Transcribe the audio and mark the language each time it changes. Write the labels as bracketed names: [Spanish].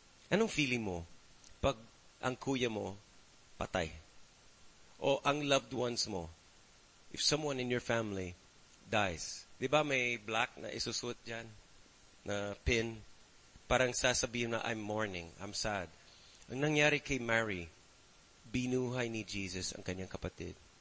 [Filipino] Anong feeling mo pag ang kuya mo patay? O ang loved ones mo, [English] if someone in your family dies? [Filipino] Di ba may black na isusuot dyan? Na pin? Parang sasabihin na, [English] I'm mourning, I'm sad. [Filipino] Ang nangyari kay Mary, binuhay ni Jesus ang kanyang kapatid.